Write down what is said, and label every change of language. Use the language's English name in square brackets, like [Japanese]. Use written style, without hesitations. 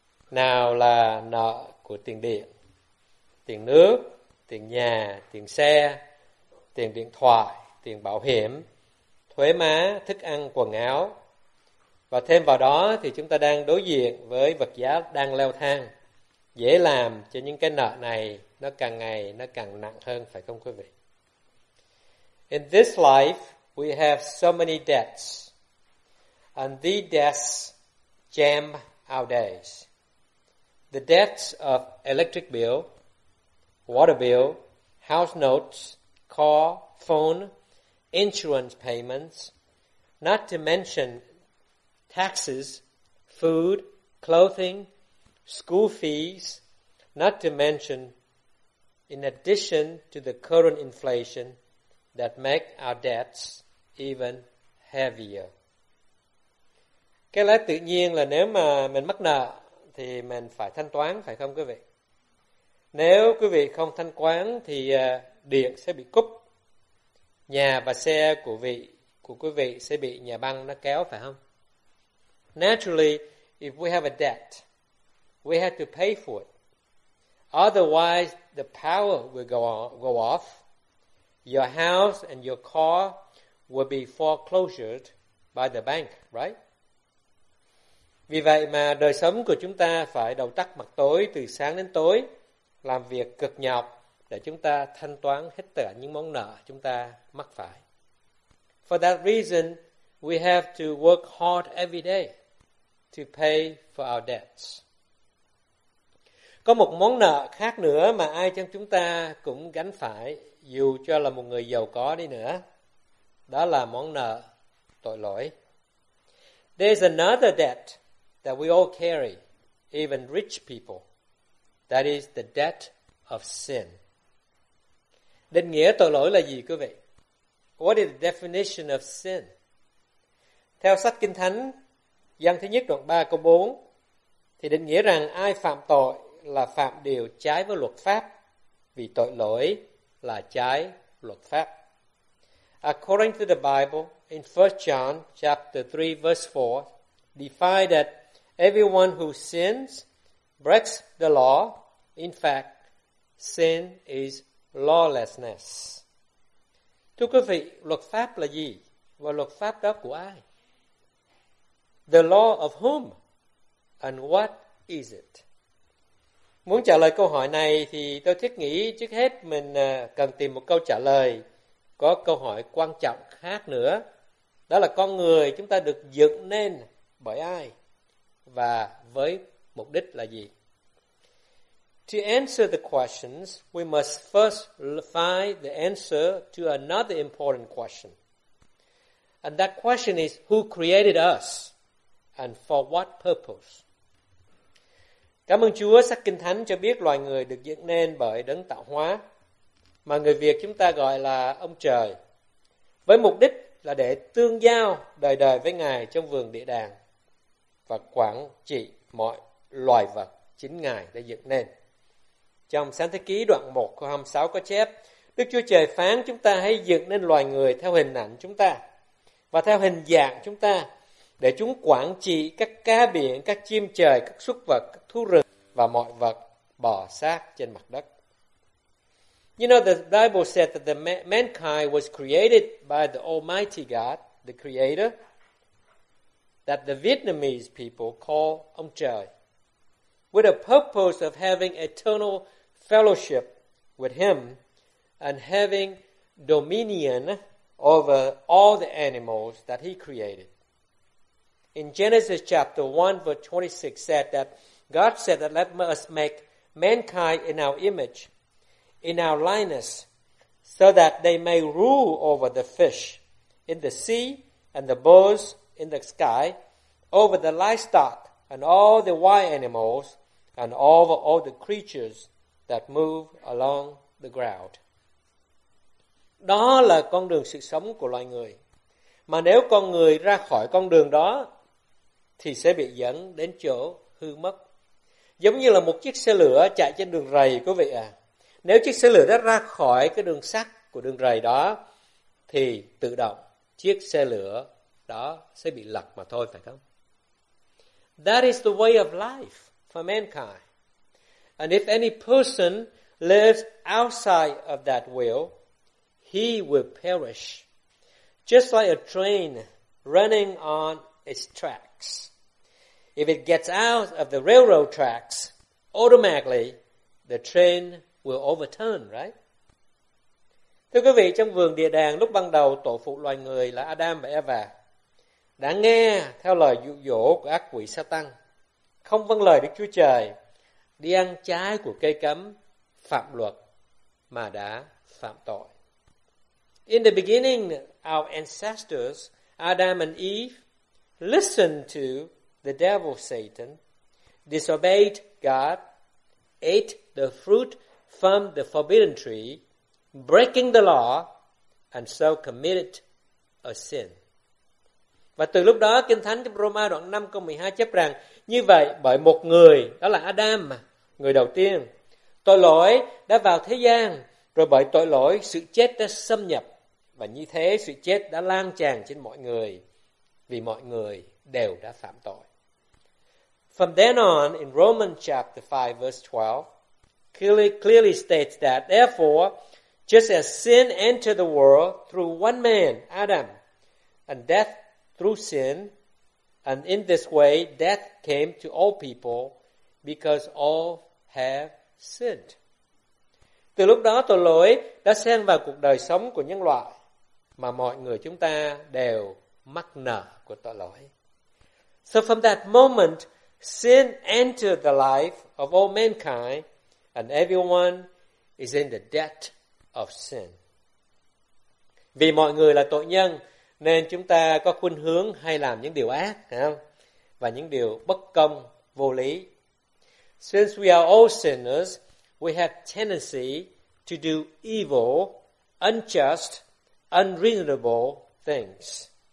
[Vietnamese] Nào là nợ của tiền điện, tiền nước, tiền nhà, tiền xe, tiền điện thoại, tiền bảo hiểm, thuế má, thức ăn, quần áo. Và thêm vào đó thì chúng ta đang đối diện với vật giá đang leo thang, dễ làm cho những cái nợ này nó càng ngày nó càng nặng hơn, phải không quý vị? [English] In this life, we have so many debts, and these debts jam our days. The debts of electric bill, water bill, house notes, car, phone, insurance payments, not to mention taxes, food, clothing, school fees, not to mention, in addition to the current inflation, that make our debts even heavier. [Vietnamese] Cái lẽ tự nhiên là nếu mà mình mắc nợ thì mình phải thanh toán, phải không quý vị? Nếu quý vị không thanh toán thì điện sẽ bị cúp, nhà và xe của quý vị sẽ bị nhà băng nó kéo, phải không? [English] Naturally, if we have a debt, we have to pay for it. Otherwise, the power will go off. Your house and your car will be foreclosed by the bank, right? [Vietnamese] Vì vậy mà đời sống của chúng ta phải đầu tắt mặt tối từ sáng đến tối, làm việc cực nhọc để chúng ta thanh toán hết tất cả những món nợ chúng ta mắc phải. [English] For that reason, we have to work hard every day to pay for our debts. [Vietnamese] Có một món nợ khác nữa mà ai trong chúng ta cũng gánh phải, dù cho là một người giàu có đi nữa, đó là món nợ tội lỗi. [English] There's another debt that we all carry, even rich people. That is the debt of sin. [Vietnamese] Định nghĩa tội lỗi là gì quý vị? [English] What is the definition of sin? [Vietnamese] Theo sách Kinh Thánh, Giăng thứ nhất đoạn 3 câu 4, thì định nghĩa rằng ai phạm tội là phạm điều trái với luật pháp, vì tội lỗi là trái luật pháp. [English] According to the Bible, in 1 John chapter 3 verse 4, define that everyone who sins breaks the law. In fact, sin is lawlessness. [Vietnamese] Thưa quý vị, luật pháp là gì? Và luật pháp đó của ai? [English] The law of whom? And what is it? [Vietnamese] Muốn trả lời câu hỏi này thì tôi thiết nghĩ trước hết mình cần tìm một câu trả lời có câu hỏi quan trọng khác nữa. Đó là con người chúng ta được dựng nên bởi ai? Và với mục đích là gì? [English] To answer the questions, we must first find the answer to another important question. And that question is, who created us? And for what purpose? [Vietnamese] Cảm ơn Chúa, sách Kinh Thánh cho biết loài người được dựng nên bởi đấng tạo hóa, mà người Việt chúng ta gọi là ông trời, với mục đích là để tương giao đời đời với Ngài trong vườn địa đàng và quản trị mọi loài vật chính Ngài đã dựng nên. Trong Sáng Thế Ký đoạn 1 câu 26 có chép, Đức Chúa Trời phán chúng ta hãy dựng nên loài người theo hình ảnh chúng ta và theo hình dạng chúng ta, để chúng quản trị các cá biển, các chim trời, các súc vật, các thú rừng và mọi vật bò sát trên mặt đất. [English] You know, the Bible said that the mankind was created by the Almighty God, the Creator, that the Vietnamese people call Ông Trời, with a purpose of having eternal fellowship with Him and having dominion over all the animals that He created. In Genesis chapter 1 verse 26 said that God said that let us make mankind in our image, in our likeness, so that they may rule over the fish in the sea and the birds in the sky, over the livestock and all the wild animals and over all the creatures that move along the ground. [Vietnamese] Đó là con đường sự sống của loài người. Mà nếu con người ra khỏi con đường đó, thì sẽ bị dẫn đến chỗ hư mất. Giống như là một chiếc xe lửa chạy trên đường rầy, quý vị à. Nếu chiếc xe lửa đã ra khỏi cái đường sắt của đường rầy đó, thì tự động chiếc xe lửa đó sẽ bị lật mà thôi, phải không? [English] That is the way of life for mankind. And if any person lives outside of that will, he will perish. Just like a train running on its track. If it gets out of the railroad tracks, automatically the train will overturn, right? [Vietnamese] Thưa quý vị, trong vườn địa đàng lúc ban đầu tổ phụ loài người là Adam và Eva đã nghe theo lời dụ dỗ của ác quỷ Satan, không vâng lời Đức Chúa Trời, đi ăn trái của cây cấm, phạm luật mà đã phạm tội. [English] In the beginning, our ancestors, Adam and Eve, listened to the devil Satan, disobeyed God, ate the fruit from the forbidden tree, breaking the law, and so committed a sin. [Vietnamese] Và từ lúc đó, Kinh Thánh trong Roma đoạn 5 câu 12 chép rằng, như vậy, bởi một người, đó là Adam, người đầu tiên, tội lỗi đã vào thế gian, rồi bởi tội lỗi, sự chết đã xâm nhập, và như thế, sự chết đã lan tràn trên mọi người, vì mọi người đều đã phạm tội. [English] From then on, in Romans chapter 5, verse 12, clearly states that, therefore, just as sin entered the world through one man, Adam, and death through sin, and in this way, death came to all people, because all have sinned. [Vietnamese] Từ lúc đó, tội lỗi đã xen vào cuộc đời sống của nhân loại, mà mọi người chúng ta đều mắc nợ của tội lỗi. [English] So from that moment, sin entered the life of all mankind, and everyone is in the debt of sin. [Vietnamese] Vì mọi người là tội nhân, nên chúng ta có khuynh hướng hay làm những điều ác, không? Và những điều bất công, vô lý. [English] Since we are all sinners, we have tendency to do evil, unjust, unreasonable things.